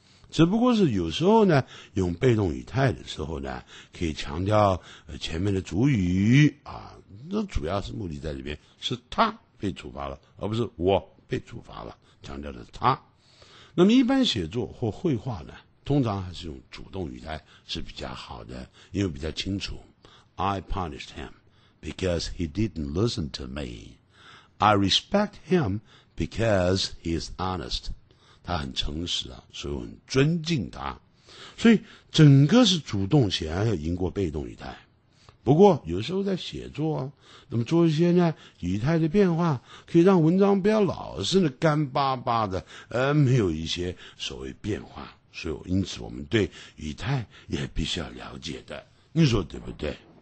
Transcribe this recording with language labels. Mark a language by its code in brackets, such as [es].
[zh] 只不过是有时候呢，用被动语态的时候呢，可以强调前面的主语啊，那主要是目的在里面，是他被处罚了，而不是我被处罚了，强调的是他。那么一般写作或绘画呢，通常还是用主动语态是比较好的，因为比较清楚。 [en] I punished him because he didn't listen to me. I respect him because he is honest. [zh] 他很诚实啊，所以我很尊敬他，所以整个是主动显然要赢过被动语态。不过有时候在写作啊，那么做一些呢语态的变化，可以让文章不要老是的干巴巴的，没有一些所谓变化，所以因此我们对语态也必须要了解的，你说对不对？